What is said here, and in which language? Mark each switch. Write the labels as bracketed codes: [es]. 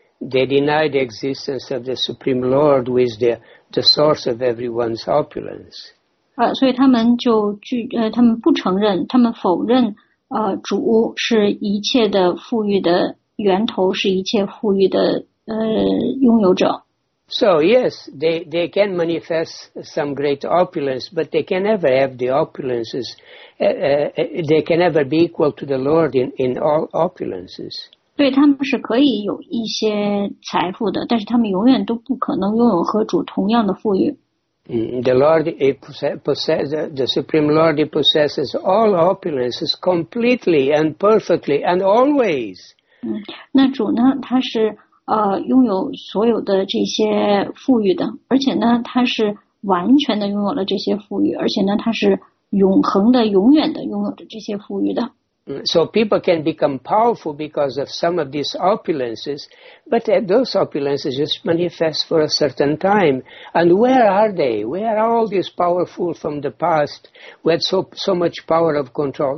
[en] They deny the existence of the Supreme Lord, who is the source of everyone's opulence. [zh] 所以他们就他们不承认，他们否认，主是一切的富裕的源头，是一切富裕的拥有者。 [en] So yes, they can manifest some great opulence, but they can never have the opulences. They can never be equal to the Lord in all opulences. [zh] 对，他们是可以有一些财富的，但是他们永远都不可能拥有和主同样的富裕。 [en] The Lord the Supreme Lord possesses all opulences completely and perfectly and always. [zh] 那主呢？他是拥有所有的这些富裕的，而且呢，他是完全的拥有了这些富裕，而且呢，他是永恒的、永远的拥有着这些富裕的。 [en] So people can become powerful because of some of these opulences, but those opulences just manifest for a certain time. And where are they? Where are all these powerful from the past who had so much power of control?